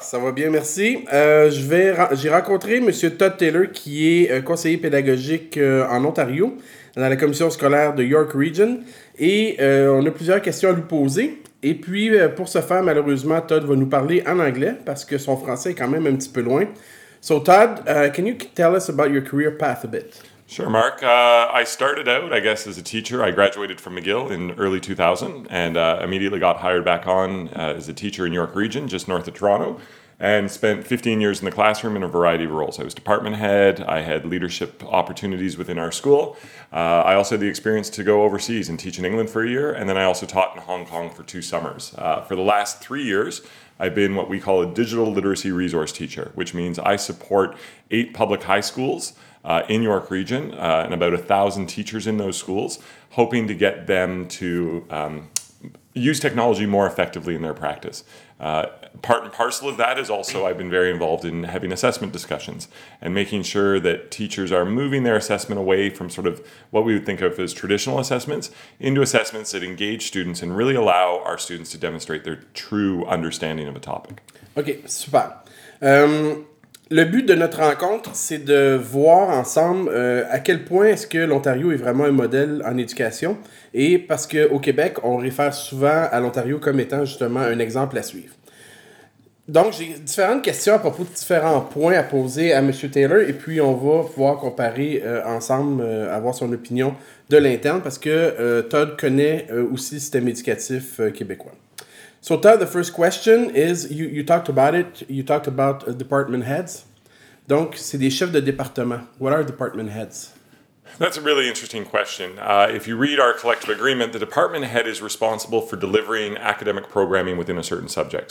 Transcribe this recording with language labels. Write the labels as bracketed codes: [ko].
[fr] Ça va bien, merci. J'ai rencontré M. Todd Taylor, qui est conseiller pédagogique en Ontario, dans la commission scolaire de York Region, et on a plusieurs questions à lui poser. Et puis, pour ce faire, malheureusement, Todd va nous parler en anglais, parce que son français est quand même un petit peu loin. [en] So Todd, can you tell us about your career path a bit? Sure, Mark. I started out, I guess, as a teacher. I graduated from McGill in early 2000 and immediately got hired back on as a teacher in York Region, just north of Toronto, and spent 15 years in the classroom in a variety of roles. I was department head. I had leadership opportunities within our school. I also had the experience to go overseas and teach in England for a year, and then I also taught in Hong Kong for two summers. For the last 3 years, I've been what we call a digital literacy resource teacher, which means I support 8 public high schools in York Region, and about 1,000 teachers in those schools, hoping to get them to use technology more effectively in their practice. Part and parcel of that is also I've been very involved in having assessment discussions and making sure that teachers are moving their assessment away from sort of what we would think of as traditional assessments into assessments that engage students and really allow our students to demonstrate their true understanding of a topic. Okay, super. [fr] Le but de notre rencontre, c'est de voir ensemble à quel point est-ce que l'Ontario est vraiment un modèle en éducation, et parce qu'au Québec, on réfère souvent à l'Ontario comme étant justement un exemple à suivre. Donc, j'ai différentes questions à propos de différents points à poser à M. Taylor, et puis on va pouvoir comparer ensemble, avoir son opinion de l'interne, parce que Todd connaît aussi le système éducatif québécois. [en] So Todd, the first question is, you talked about it, you talked about department heads. [fr] Donc, c'est des chefs de département. [en] What are department heads? That's a really interesting question. If you read our collective agreement, the department head is responsible for delivering academic programming within a certain subject.